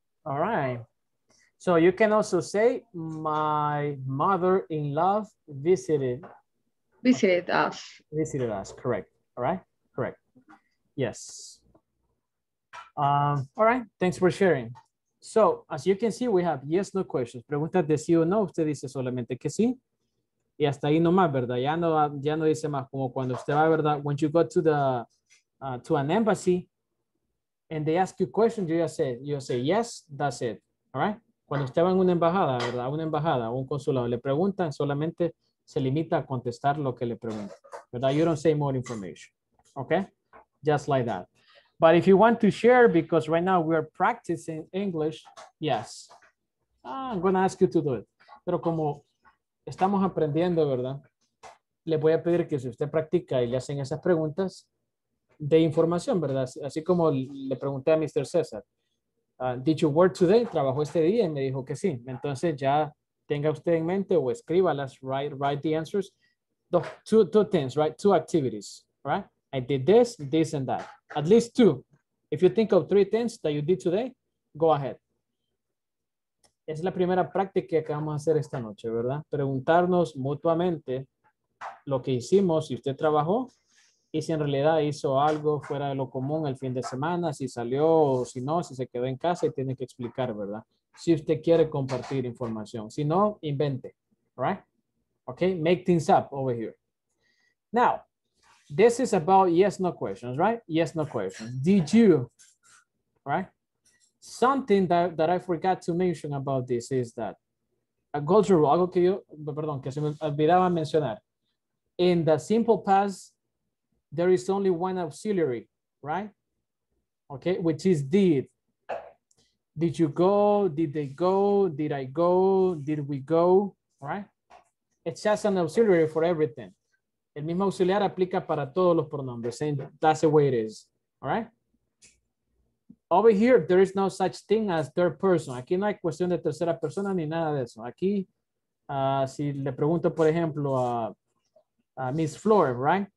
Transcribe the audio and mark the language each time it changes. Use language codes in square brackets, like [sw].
[en] All right. So you can also say my mother-in-law visited us. Visited us. Correct. All right. Correct. Yes. All right. Thanks for sharing. So, as you can see, we have yes, no questions. [es] Preguntas de sí o no, usted dice solamente que sí. Y hasta ahí nomás, ¿verdad? Ya no dice más como cuando usted va, ¿verdad? [en] When you go to the to an embassy and they ask you questions, you just say yes, that's it, all right? [es] Cuando usted va en una embajada, ¿verdad? Una embajada o un consulado, le preguntan, solamente se limita a contestar lo que le preguntan, ¿verdad? [en] You don't say more information, okay? Just like that. But if you want to share, because right now we are practicing English, yes. I'm going to ask you to do it. [es] Pero como estamos aprendiendo, ¿verdad? Le voy a pedir que si usted practica y le hacen esas preguntas, de información, ¿verdad? Así como le pregunté a Mr. César, [en] did you work today? [es] ¿Trabajó este día? Y me dijo que sí. Entonces ya tenga usted en mente o escríbalas, [en] write the answers. Two things, right? Two activities, right? I did this, and that. At least two. If you think of three things that you did today, go ahead. [es] Es la primera práctica que vamos a hacer esta noche, ¿verdad? Preguntarnos mutuamente lo que hicimos, si usted trabajó y si en realidad hizo algo fuera de lo común el fin de semana, si salió o si no, si se quedó en casa y tiene que explicar, ¿verdad? Si usted quiere compartir información. Si no, invente. [en] Right? Okay? Make things up over here. Now, this is about yes, no questions, right? Yes, no questions. Did you, right? Something that I forgot to mention about this is that a golden rule, [es] algo que yo, perdón, que se me olvidaba mencionar. [en] In the simple past, there is only one auxiliary, right? Okay, which is did. Did you go? Did they go? Did I go? Did we go? Right? It's just an auxiliary for everything. [es] El mismo auxiliar aplica para todos los pronombres. [en] And that's the way it is. All right? Over here, there is no such thing as third person. [es] Aquí no hay cuestión de tercera persona ni nada de eso. Aquí, si le pregunto, por ejemplo, a Miss Flor, right?